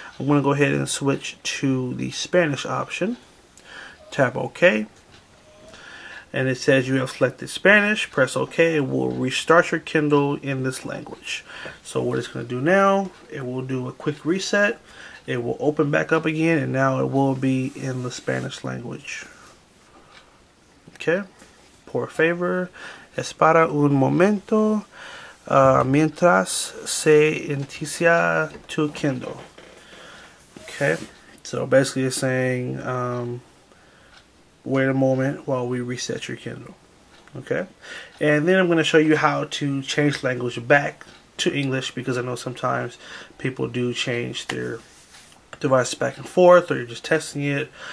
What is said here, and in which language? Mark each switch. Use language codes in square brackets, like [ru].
[en] I'm going to go ahead and switch to the Spanish option. Tap OK. And it says you have selected Spanish. Press OK. It will restart your Kindle in this language. So what it's going to do now, it will do a quick reset. It will open back up again, and now it will be in the Spanish language. [es] Okay, por favor, espera un momento mientras se inicia tu Kindle. [en] Okay, so basically it's saying, wait a moment while we reset your Kindle. Okay, and then I'm going to show you how to change language back to English, because I know sometimes people do change their device back and forth, or you're just testing it.